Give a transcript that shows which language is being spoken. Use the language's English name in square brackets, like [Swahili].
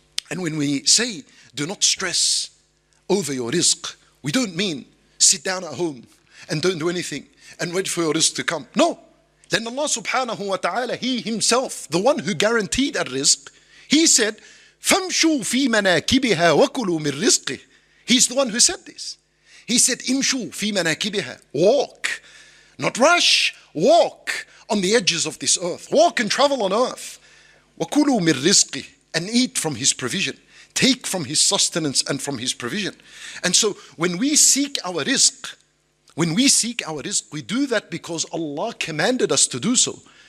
[English] And when we say, do not stress over your rizq, we don't mean sit down at home and don't do anything and wait for your rizq to come. No. Then Allah subhanahu wa ta'ala, He Himself, the one who guaranteed that rizq, He said, [Arabic] فَمْشُوا فِي مَنَاكِبِهَا وَكُلُوا مِنْ رِزْقِهِ. [English] He's the one who said this. He said, [Arabic] إِمْشُوا فِي مَنَاكِبِهَا. [English] Walk. Not rush. Walk on the edges of this earth. Walk and travel on earth. [Arabic] وَكُلُوا مِنْ رِزْقِهِ. [English] And eat from His provision. Take from His sustenance and from His provision. And so when we seek our rizq, when we seek our rizq, we do that because Allah commanded us to do so.